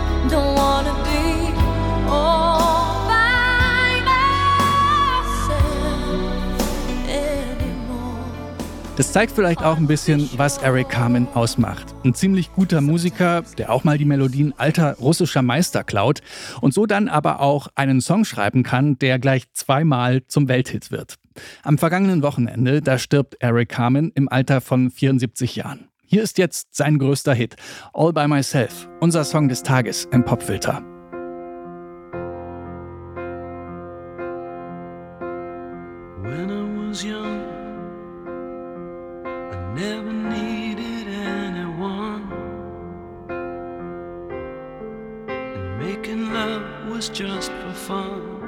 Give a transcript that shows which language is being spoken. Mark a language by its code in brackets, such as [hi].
[en] Don't wanna be all by myself anymore. [de] Das zeigt vielleicht auch ein bisschen, was Eric Carmen ausmacht. Ein ziemlich guter Musiker, der auch mal die Melodien alter russischer Meister klaut und so dann aber auch einen Song schreiben kann, der gleich zweimal zum Welthit wird. Am vergangenen Wochenende, da stirbt Eric Carmen im Alter von 74 Jahren. Hier ist jetzt sein größter Hit, All By Myself, unser Song des Tages im Popfilter. [en] When I was young, I never needed anyone. And making love was just for fun.